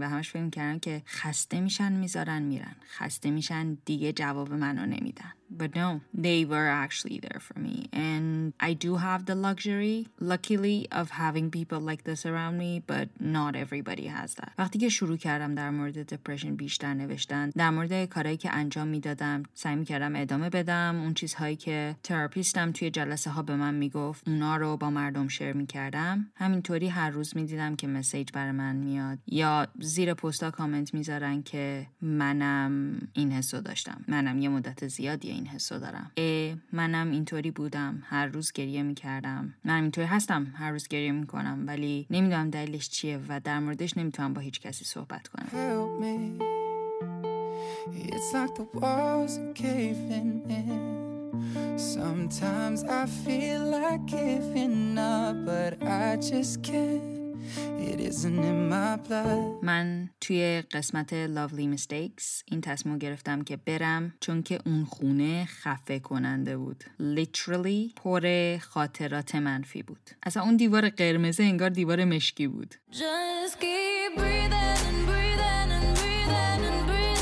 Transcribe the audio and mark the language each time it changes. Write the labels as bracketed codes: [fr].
[fa] و همش فکر می کردم که خسته میشن میذارن میرن. خسته میشن دیگه جواب منو نمیدن. [en] But no, they were actually there for me. And I do have the luxury, luckily, of having people like this around me, but not everybody has that. [fa] وقتی که شروع کردم در مورد دپرشن بیشتر نوشتن، در مورد کارهایی که انجام میدادم، سعی میکردم ادامه بدم، اون چیزهایی که تراپیستم توی جلسه ها به من میگفت، اونا رو با مردم شیر میکردم. همینطوری هر روز میدیدم که مسیج بر من میاد یا زیر پستا کامنت میذارن که منم این حسو داشتم. منم یه مدت زیادی این حسو دارم. منم اینطوری بودم، هر روز گریه میکردم. منم اینطوری هستم، هر روز گریه میکنم، ولی نمیدونم دلیلش چیه و در موردش نمیتونم با هیچ کسی صحبت کنم. [en] Help me. It's like the walls are caving in. Sometimes I feel like giving up, but I just can't. It isn't in my blood. [fa] من توی قسمت Lovely Mistakes این تصمیم گرفتم که برم، چون که اون خونه خفه کننده بود. Literally پر خاطرات منفی بود. اصلا اون دیوار قرمز انگار دیوار مشکی بود. [en] Just keep breathing and breathing and breathing and breathing.